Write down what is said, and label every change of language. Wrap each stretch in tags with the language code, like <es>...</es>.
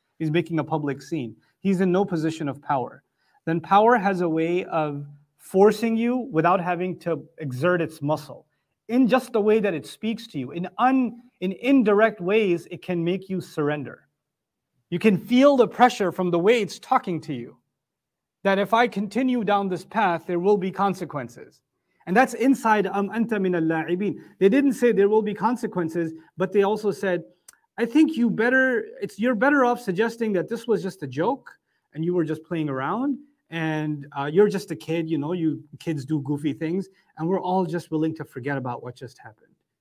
<en>He's making a public scene. He's in no position of power. Then power has a way of forcing you without having to exert its muscle. In just the way that it speaks to you, in indirect ways, it can make you surrender. You can feel the pressure from the way it's talking to you, that if I continue down this path, there will be consequences. And that's inside</en> <ar>أَمْ أَنْتَ مِنَ اللَّاعِبِينَ.</ar> <en>They didn't say there will be consequences, but they also said, I think you're better off suggesting that this was just a joke and you were just playing around and you're just a kid, you know, you kids do goofy things and we're all just willing to forget about what just happened.</en>